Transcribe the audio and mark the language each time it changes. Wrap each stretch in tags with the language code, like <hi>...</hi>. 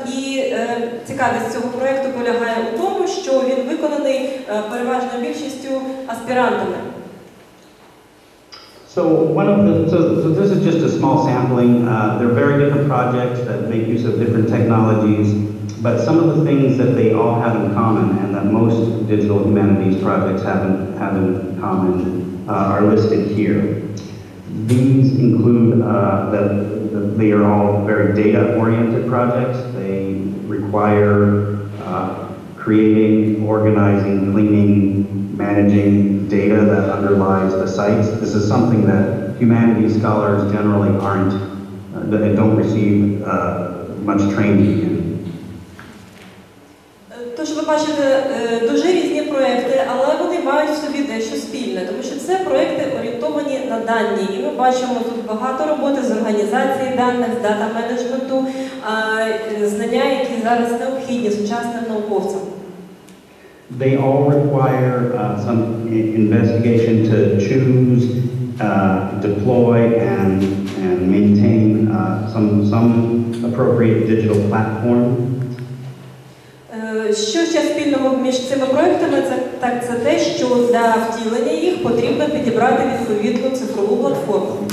<uk>І цікавість цього проєкту полягає у тому, що він виконаний переважно більшістю аспірантами.</uk> <en>So this is just a small sampling. There are very different projects that make use of different technologies, but some of the things that they all have in common and that most digital humanities projects have in common are listed here. These include that they are all very data-oriented projects. They require creating, organizing, cleaning, managing data that underlies the sites. This is something that humanities scholars generally aren't, that they don't receive much training in.</en> <uk>Тож ви бачите дуже різні проекти, але вони мають в собі дещо спільне, тому що це проекти орієнтовані на дані. І ми бачимо тут багато роботи з організації даних, з дата-менеджменту, знання, які зараз необхідні сучасним науковцям.</uk> <en>They all require some investigation to choose, deploy, and maintain some appropriate digital platform.</en> <uk>Що ще спільного між цими проектами? Це те, що для втілення їх потрібно підібрати відповідну цифрову платформу.</uk>